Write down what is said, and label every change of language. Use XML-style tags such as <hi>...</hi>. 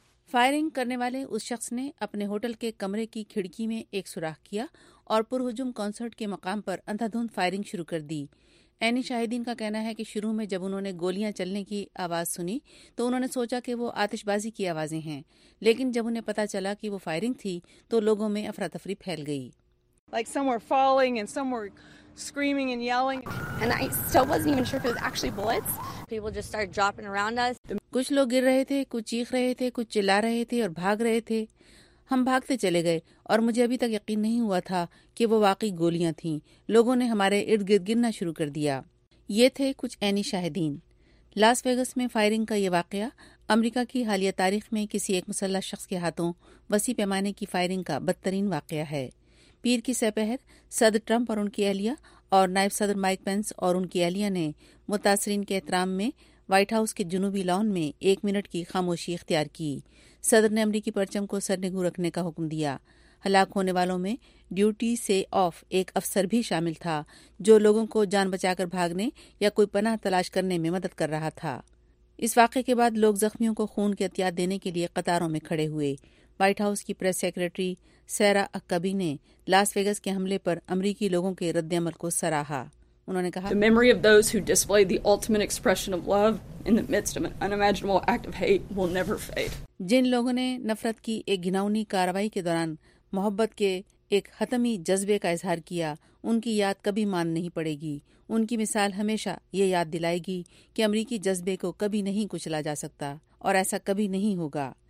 <ur>Firing کرنے والے اس شخص نے اپنے ہوٹل کے کمرے کی کھڑکی میں ایک سوراخ کیا اور پرہجوم کانسرٹ کے مقام پر اندھا دھند فائرنگ شروع کر دی. عینی شاہدین کا کہنا ہے کہ شروع میں جب انہوں نے گولیاں چلنے کی آواز سنی تو انہوں نے سوچا کہ وہ آتش بازی کی آوازیں ہیں، لیکن جب انہیں پتا چلا کہ وہ فائرنگ تھی تو لوگوں میں افراتفری پھیل گئی.</ur> <en>Like some were falling and some were screaming and yelling. And I still wasn't even sure if it was actually bullets. People just started dropping around us.</en> <ur>کچھ لوگ گر رہے تھے، کچھ چیخ رہے تھے، کچھ چلا رہے تھے اور بھاگ رہے تھے. ہم بھاگتے چلے گئے اور مجھے ابھی تک یقین نہیں ہوا تھا کہ وہ واقعی گولیاں تھیں. لوگوں نے ہمارے ارد گرد گرنا شروع کر دیا. یہ تھے کچھ عینی شاہدین. لاس ویگس میں فائرنگ کا یہ واقعہ امریکہ کی حالیہ تاریخ میں کسی ایک مسلح شخص کے ہاتھوں وسیع پیمانے کی فائرنگ کا بدترین واقعہ ہے. پیر کی سہ پہر صدر ٹرمپ اور ان کی اہلیہ اور نائب صدر مائک پینس اور ان کی اہلیہ نے متاثرین کے احترام میں وائٹ ہاؤس کے جنوبی لان میں ایک منٹ کی خاموشی اختیار کی. صدر نے امریکی پرچم کو سرنگو رکھنے کا حکم دیا. ہلاک ہونے والوں میں ڈیوٹی سے آف ایک افسر بھی شامل تھا جو لوگوں کو جان بچا کر بھاگنے یا کوئی پناہ تلاش کرنے میں مدد کر رہا تھا. اس واقعے کے بعد لوگ زخمیوں کو خون کے عطیات دینے کے لیے قطاروں میں کھڑے ہوئے. وائٹ ہاؤس کی پریس سیکرٹری سیرا اکبی نے لاس ویگس کے حملے پر امریکی لوگوں کے رد عمل کو سراہا. انہوں نے کہا،</ur> <en>The memory of those who displayed the ultimate expression of love in the midst of an unimaginable act of hate will never fade.</en> <ur>جن لوگوں نے نفرت کی ایک گھناؤنی کاروائی کے دوران محبت کے ایک حتمی جذبے کا اظہار کیا، ان کی یاد کبھی مان نہیں پڑے گی. ان کی مثال ہمیشہ یہ یاد دلائے گی کہ امریکی جذبے کو کبھی نہیں کچلا جا سکتا اور ایسا کبھی نہیں ہوگا.</ur>